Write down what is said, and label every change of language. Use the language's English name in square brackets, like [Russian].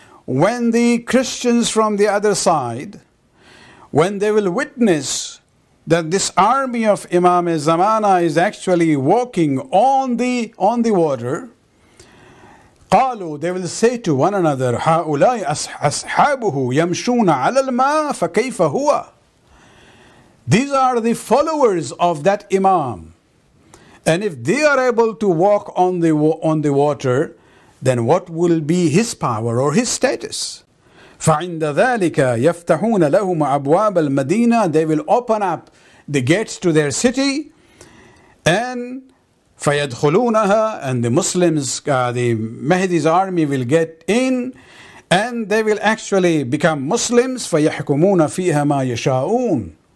[English] When the Christians from the other side, when they will witness that this army of Imam Zamana is actually walking on the water, [Arabic] قالوا, [English] they will say to one another, [Arabic] هؤلاء أصحابه يمشون على الماء فكيف هو. [English] These are the followers of that Imam, and if they are able to walk on the water, then what will be his power or his status? [Arabic] فعند ذلك يفتحون لهم أبواب المدينة. [English] They will open up the gates to their city, and [Arabic] فيدخلونها, [English] and the Muslims, the Mahdi's army will get in, and they will actually become Muslims. [Arabic] فيحكمون فيها ما يشاءون.